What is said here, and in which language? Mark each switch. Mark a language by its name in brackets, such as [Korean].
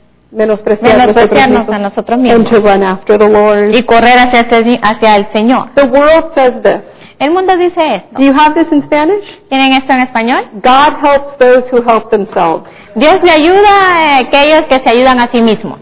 [Spanish] Menospreciarnos a nosotros mismos. [English] And to run after the Lord. [Spanish] Y correr hacia el Señor. [English] The world says this. [Spanish] El mundo dice esto. [English] Do you have this in Spanish? [Spanish] ¿Tienen esto en español? [English] God helps those who help themselves. [Spanish] Dios le ayuda a aquellos que se ayudan a sí mismos.